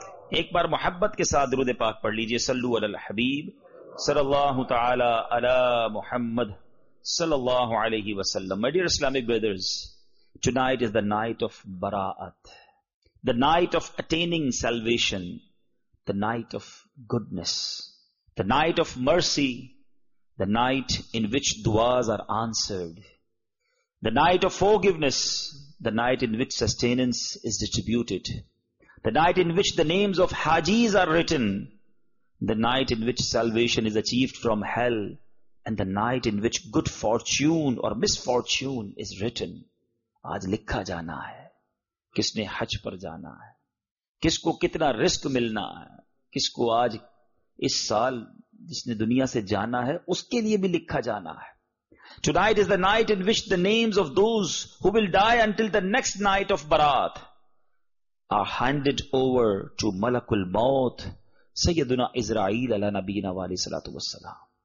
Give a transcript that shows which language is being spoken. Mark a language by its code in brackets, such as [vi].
[ur] ایک بار محبت کے ساتھ درود پاک پڑھ لیجئے صلو علی الحبیب صلی اللہ تعالی علی محمد صلی اللہ علیہ وسلم [en] My dear Islamic brothers Tonight is the night of Bara'at The night of attaining salvation The night of goodness The night of mercy The night in which duas are answered The night of forgiveness The night in which sustenance is distributed. The night in which the names of Hajis are written. The night in which salvation is achieved from hell. And the night in which good fortune or misfortune is written. [ur] آج لکھا جانا ہے. کس نے حج پر جانا ہے. کس کو کتنا رزق ملنا ہے. کس کو آج اس سال جس نے دنیا سے جانا ہے اس کے لیے بھی لکھا جانا ہے. [en] Tonight is the night in which the names of those who will die until the next night of Barat are handed over to Malakul Maut, Sayyiduna Israel ala Nabiyyina wa alayhi salatu wa salam.